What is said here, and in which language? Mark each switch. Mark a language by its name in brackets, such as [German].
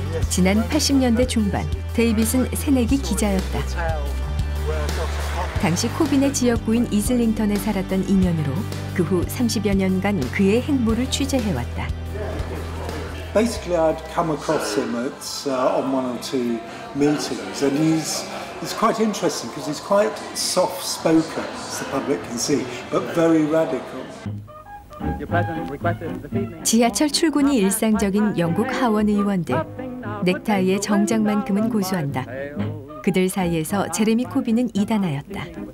[Korean] 지난 80년대 중반, 데이빗은 새내기 기자였다. 당시 코빈의 지역구인 이슬링턴에 살았던 인연으로 그 후 30여 년간 그의 행보를 취재해왔다. [English] Basically, I'd come across him at on one or two meetings, and he's quite interesting because he's quite soft-spoken, as the public can see, but very radical. [Korean] 지하철 출근이 일상적인 영국 하원 의원들, 넥타이의 정장만큼은 고수한다. 그들 사이에서 제레미 코빈은 이단하였다.